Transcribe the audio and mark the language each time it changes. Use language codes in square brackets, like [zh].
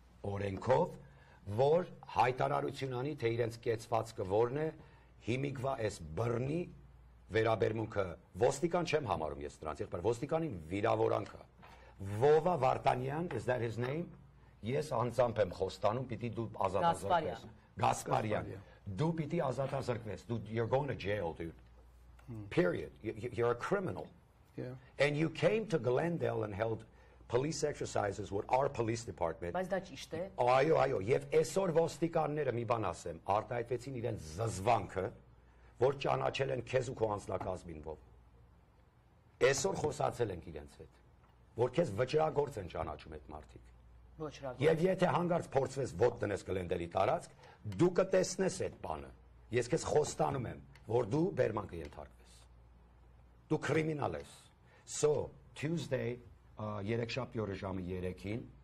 [hy] օրենքով, որ հայտարարություն անի, թե իրենց կեցվածքը որն է, հիմիկվա էս բռնի վերաբերմունքը։ Ոստիկան չեմ համարում ես դրանց, իբր ոստիկանին վիրավորանքը։ Վովա Վարտանյան, [en] is that his name? [hy] Ես անձամբ եմ խոստանում, պիտի դու ազատազրկվես։ Գասպարյան, դու պիտի ազատազրկվես, դու [en] you're going to jail, dude. Period. You're a criminal. Yeah. And you came to Glendale and held police exercises with our police department. [hy] Բայց դա ճիշտ է։ Այո, այո, եւ այսօր ոստիկանները մի բան ասեմ, արտահայտեցին իրեն զզվանքը, որ ճանաչել են քեզ ու քո անձնակազմին ով։ Այսօր խոսացել ենք իրենց հետ, որ քեզ վճռագործ են ճանաչում այդ մարդիկ։ Վճռագործ։ Եվ եթե հանկարծ փորձես ոտ դնես Գլենդելի տարածք, դու կտեսնես այդ բանը։ Ես քեզ խոստանում եմ, որ դու բերման կընթարկվես։ Դու քրիմինալ ես։ [en] So, Tuesday, [hy] 3 շաբթի օրը ժամը 3-ին,